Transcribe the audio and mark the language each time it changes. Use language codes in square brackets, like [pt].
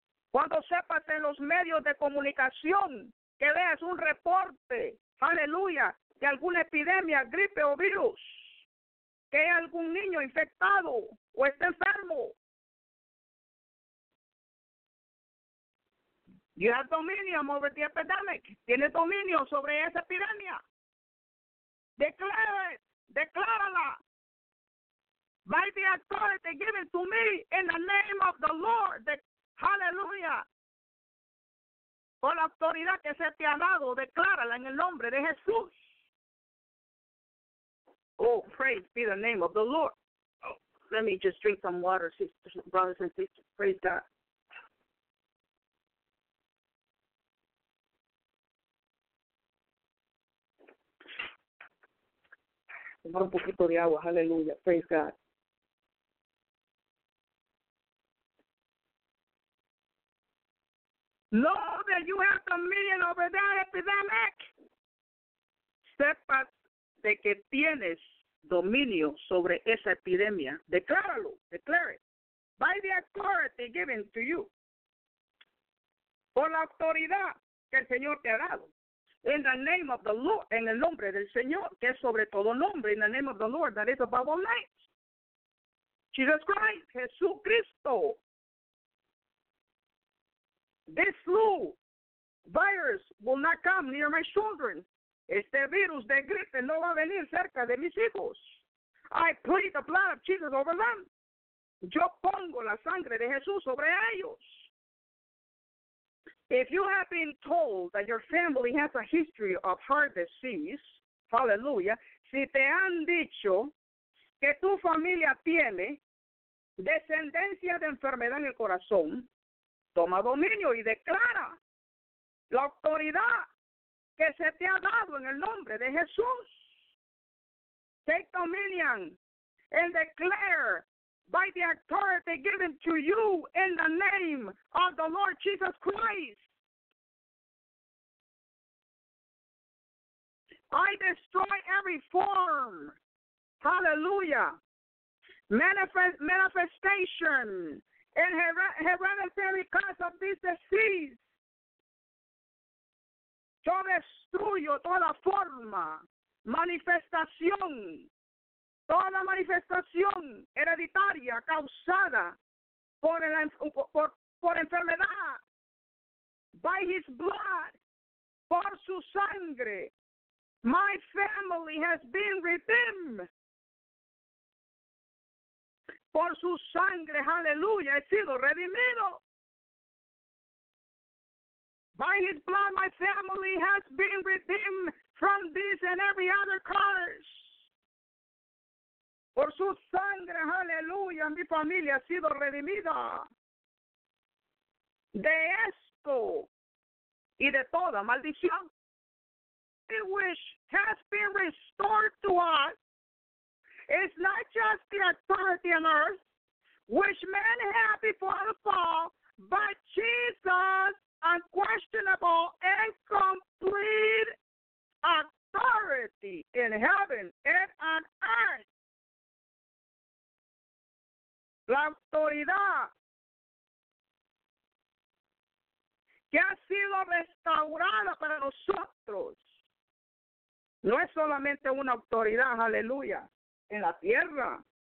[es] Cuando sepas en los medios de comunicación que veas un reporte, aleluya, de alguna epidemia, gripe o virus, que hay algún niño infectado o está enfermo. [en] You have dominion over the epidemic. [es] Tienes dominio sobre esa epidemia. [en] Declare it. [es] Declárala. [en] By the authority given to me in the name of the Lord. Hallelujah. [es] Por la autoridad que se te ha dado, declárala en el nombre de Jesús. [en] Oh, praise be the name of the Lord. Oh, let me just drink some water, sisters, brothers and sisters. Praise God. [es] Tomar un poquito de agua, aleluya, [en] praise God. Lord, that you have dominion over that epidemic. [es] Sepas de que tienes dominio sobre esa epidemia. Decláralo, [en] declare it. By the authority given to you. [es] Por la autoridad que el Señor te ha dado. [en] In the name of the Lord, [es] en el nombre del Señor, que es sobre todo nombre, [en] in the name of the Lord, that is above all names. Jesus Christ, Jesucristo. This flu virus will not come near my children. [es] Este virus de gripe no va a venir cerca de mis hijos. [en] I plead the blood of Jesus over them. [es] Yo pongo la sangre de Jesús sobre ellos. [en] If you have been told that your family has a history of heart disease, hallelujah, [es] si te han dicho que tu familia tiene descendencia de enfermedad en el corazón, toma dominio y declara la autoridad que se te ha dado en el nombre de Jesús. [en] Take dominion and declare by the authority given to you in the name of the Lord Jesus Christ. I destroy every form, hallelujah, manifestation and hereditary cause of this disease. [es] Yo destruyo toda forma, manifestación, toda manifestación hereditaria causada por enfermedad. [en] By his blood, [es] por su sangre, [en] my family has been redeemed. [es] Por su sangre, aleluya, he sido redimido. [en] By his blood, my family has been redeemed from this and every other curse. [es] Por su sangre, aleluya, mi familia ha sido redimida. De esto y de toda maldición. [en] The wish has been restored to us. It's not just the authority on earth, which men had before the fall, but Jesus' unquestionable and complete authority in heaven and on earth. [es] La autoridad que ha sido restaurada para nosotros no es solamente una autoridad, aleluya. En la tierra.